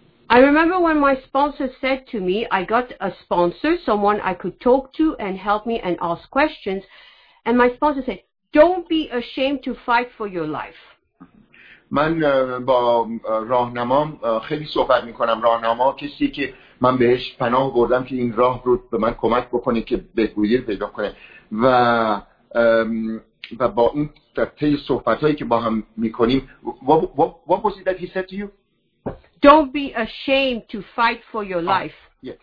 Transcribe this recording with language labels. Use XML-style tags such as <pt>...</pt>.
<en>I remember when my sponsor said to me, I got a sponsor, someone I could talk to and help me and ask questions. And my sponsor said, don't be ashamed to fight for your life.</en> <fa>من با راهنمام خیلی صحبت میکنم. راهنما کسی که من بهش پناه بردم که این راه رو به من کمک بکنه که بهبودی پیدا کنه و با این طی صحبتایی که با هم میکنیم</fa> <en>what was it that he said to you? Don't be ashamed to fight for your life.</en>